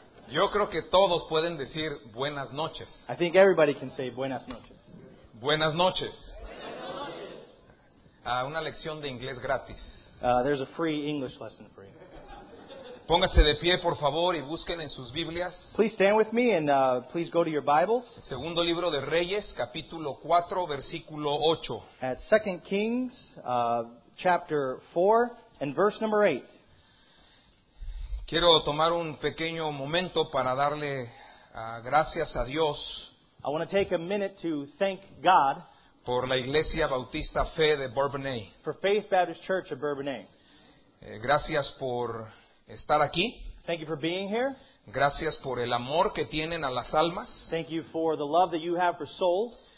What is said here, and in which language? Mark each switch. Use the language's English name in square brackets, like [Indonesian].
[Spanish] Yo creo que todos pueden decir buenas noches. [English] I think everybody can say [Spanish] buenas noches. Buenas noches. Una lección de inglés gratis. [English] There's a free English lesson for you. [Spanish] Póngase de pie, por favor, y busquen en sus Biblias. [English] Please stand with me and please go to your Bibles. [Spanish] Segundo libro de Reyes, capítulo 4, versículo 8. [English] At 2 Kings, chapter 4, and verse number 8. [Spanish] Quiero tomar un pequeño momento para darle gracias a Dios. [English] I want to take a minute to thank God [Spanish] por la Iglesia Bautista Fe de Bourbonnais. [English] For Faith Baptist Church of Bourbonnais. [Spanish] Gracias por estar aquí. [English] Thank you for being here. [Spanish] Gracias por el amor que tienen a las almas. [English] Thank you for the love that you have for souls.